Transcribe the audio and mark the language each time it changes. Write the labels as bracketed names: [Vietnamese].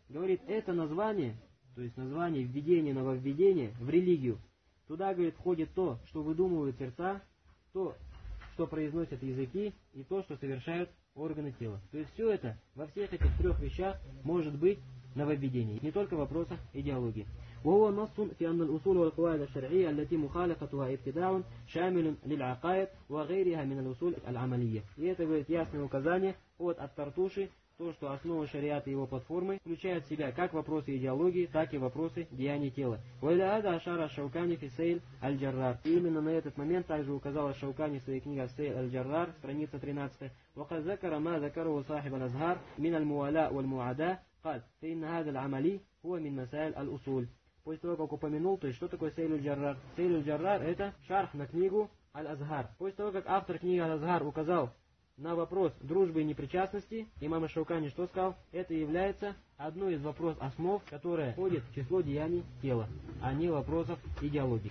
[Russian] Говорит, это название, то есть название введения нововведения в религию, туда, говорит, входит то, что выдумывают сердца, то, что произносят языки, и то, что совершают органы тела. То есть все это во всех этих трех вещах может быть нововведение, не только в вопросах идеологии. [Arabic] وهو نص في أن الأصول والقواعد الشرعية التي مخالفتها ابتداء شامل للعقائد وغيرها من الأصول العملية. [Russian] И это будет ясное указание от Тартуши, то, что основа шариата и его платформы включает в себя как вопросы идеологии, так и вопросы деяний тела. [Arabic] وإلى هذا أشار الشوكاني في سيل الجرار. [Russian] И именно на этот момент также указал Шаукани в своей книге «Сейл аль-Джаррар», страница 13. [Arabic] وقد ذكر ما ذكره صاحب الأزهار من الموالاة والمعاداة. قال فإن هذا العملي هو من مسائل الأصول. [Russian] После того, как упомянул, то есть что такое Сейлю Джаррар? Сейлю Джаррар — это шарх на книгу Аль-Азгар. После того, как автор книги Аль-Азгар указал на вопрос дружбы и непричастности, имам Ашаукани что сказал? Это является одной из вопросов основ, которая входит в число деяний тела, а не вопросов идеологии.